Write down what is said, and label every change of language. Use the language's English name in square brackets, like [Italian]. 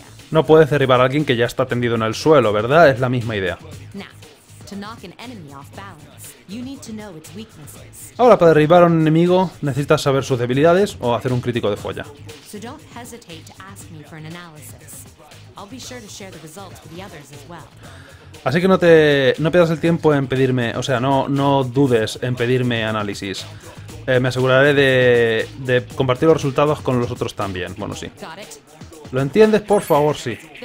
[Spanish] No puedes derribar a alguien que ya está tendido en el suelo, ¿verdad? Es la misma idea. [English] to knock an enemy off balance, you need to know its weaknesses. [Spanish] Ahora, para derribar a un enemigo, necesitas saber sus debilidades o hacer un crítico de folla. [English] So don't hesitate to ask me for an analysis. I'll be sure to share the results with the others as well. [Spanish] Así que no pierdas el tiempo en pedirme, o sea, no dudes en pedirme análisis. Me aseguraré de compartir los resultados con los otros también. Bueno, sí. ¿Lo entiendes? Por favor, sí.